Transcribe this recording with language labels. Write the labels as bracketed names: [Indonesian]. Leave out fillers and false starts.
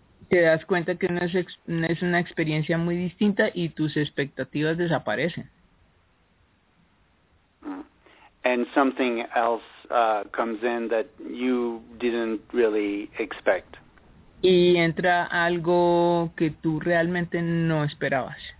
[Spanish] Te das cuenta que no es una experiencia muy distinta y tus expectativas desaparecen. [English] And something else comes in that you didn't really expect. [Spanish] Y entra algo que tú realmente no esperabas.